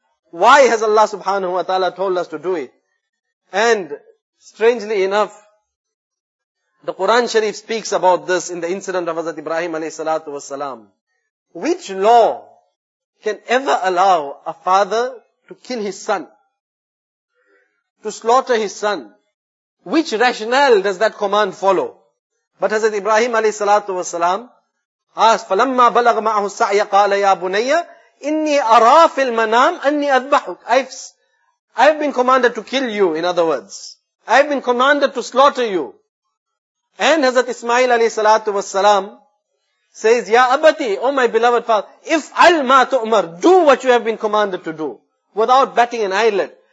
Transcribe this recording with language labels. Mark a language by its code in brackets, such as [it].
[en] Why has Allah subhanahu wa ta'ala told us to do it? And strangely enough, the Quran Sharif speaks about this in the incident of Hazrat Ibrahim alayhi salatu was salam. Which law can ever allow a father to kill his son? To slaughter his son? Which rationale does that command follow? But Hazrat Ibrahim alayhi salatu was salam asked, [ar] فَلَمَّا بَلَغْ مَعَهُ السَّعْيَ قَالَ يَا بُنَيَّ إِنِّي أَرَى فِي الْمَنَامِ أَنِّي أَذْبَحُكَ. [en] I've been commanded to kill you, in other words. I've been commanded to slaughter you. And Hazrat Ismail alayhi salatu was salam says, Ya Abati, O my beloved father, [ar] if al ma tu'mar, [en] do what you have been commanded to do, without batting an eyelid.